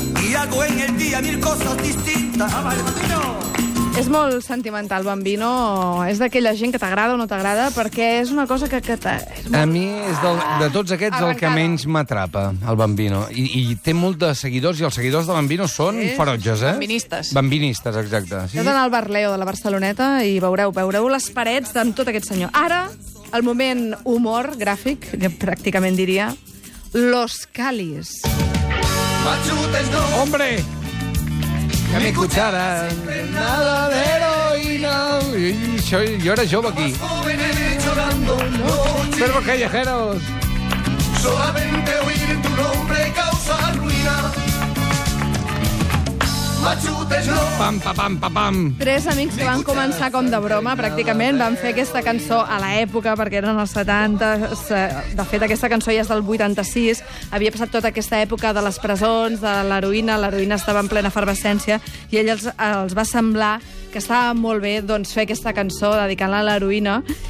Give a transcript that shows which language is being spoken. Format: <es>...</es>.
<es>Y hago en el día mil cosas distintas. ¡Ah, vale, Bambino!</es> <ca>És molt sentimental, Bambino. És d'aquella gent que t'agrada o no t'agrada, perquè és una cosa que t'ha... Molt... A mi és de tots aquests el que menys m'atrapa, el Bambino. I té molts de seguidors, i els seguidors de Bambino són ferotges, eh? Bambinistes, exacte. Sí? Heu d'anar al Barleo de la Barceloneta i veureu les parets d'en tot aquest senyor. Ara, el moment humor gràfic, que pràcticament diria, Los Calis.</ca> <es>Hombre! Que mi cuchara... Nada de heroína... Yo era jove aquí. Perros callejeros. Solamente oír tu nombre causa ruina. Machutes no... Pam, pam, pam, pam, pam.</es> <ca>Tres amics que van començar com de broma, pràcticament. Van fer aquesta cançó a l'època, perquè eren els 70. De fet, aquesta cançó ja és del 86. Havia passat tota aquesta època de les presons, de l'heroïna. L'heroïna estava en plena efervescència. I ell els va semblar que estava molt bé, doncs, fer aquesta cançó dedicant-la a l'heroïna.</ca>